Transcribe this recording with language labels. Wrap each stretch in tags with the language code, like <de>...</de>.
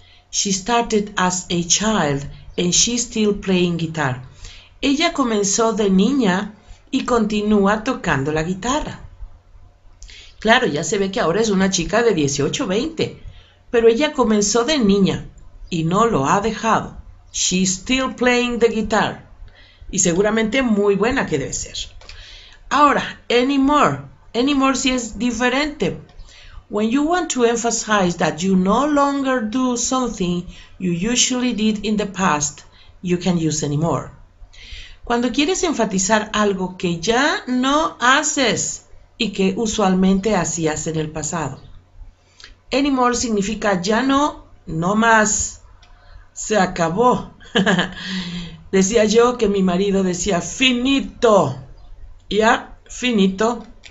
<en>She started as a child and she's still playing guitar.</en> <es>Ella comenzó de niña y continúa tocando la guitarra. Claro, ya se ve que ahora es una chica de 18 o 20, pero ella comenzó de niña y no lo ha dejado.</es> <en>She's still playing the guitar.</en> <es>Y seguramente muy buena que debe ser. Ahora, anymore. Anymore sí es diferente.</es> <en>When you want to emphasize that you no longer do something you usually did in the past, you can use anymore.</en> <es>Cuando quieres enfatizar algo que ya no haces y que usualmente hacías en el pasado. Anymore significa ya no, no más. Se acabó. Decía yo que mi marido decía finito. Ya, finito.</es>